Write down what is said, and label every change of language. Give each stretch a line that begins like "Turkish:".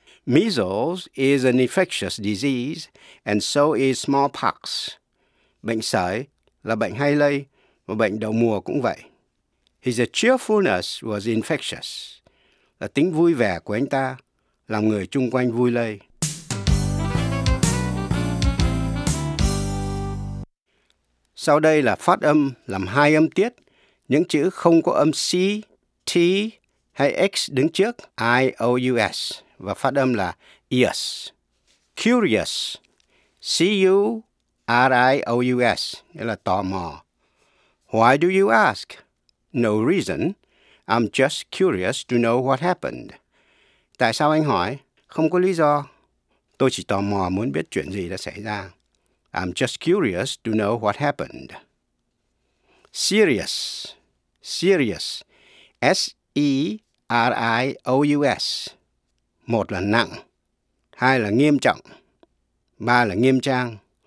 English: Measles is an infectious disease and so is smallpox.
Vietnamese: Bệnh sởi là bệnh hay lây và bệnh đầu mùa cũng vậy.
English: His cheerfulness was infectious.
Vietnamese: Là tính vui vẻ của anh ta làm người chung quanh vui lây. Sau đây là phát âm làm hai âm tiết, những chữ không có âm C, T hay X đứng trước, I-O-U-S, và phát âm là ears.
English: Curious, C-U-R-I-O-U-S,
Vietnamese: nghĩa là tò mò.
English: Why do you ask? No reason, I'm just curious to know what happened.
Vietnamese: Tại sao anh hỏi? Không có lý do. Tôi chỉ tò mò muốn biết chuyện gì đã xảy ra.
English: I'm just curious to know what happened. Serious. Serious.
Vietnamese: S-E-R-I-O-U-S. Một là nặng. Hai là nghiêm trọng. Ba là nghiêm trang.